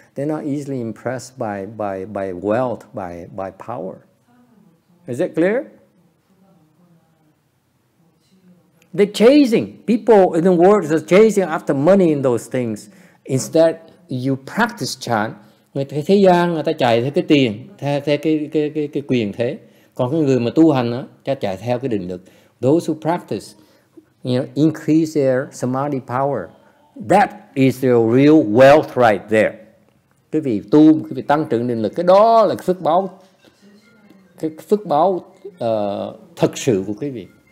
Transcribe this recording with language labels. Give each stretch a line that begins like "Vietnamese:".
English: They're not easily impressed by wealth, by power. Is that clear? They're chasing people in the world are chasing after money and those things instead. You practice chan,
Vietnamese: người thế gian người ta chạy theo cái tiền, theo cái quyền thế. Còn cái người mà tu hành á, ta chạy theo cái định lực.
English: Those who practice, you know, increase their samadhi power. That is their real wealth right there.
Vietnamese: Cái vị tu, cái vị tăng trưởng định lực, cái đó là phước báo thật sự của cái vị.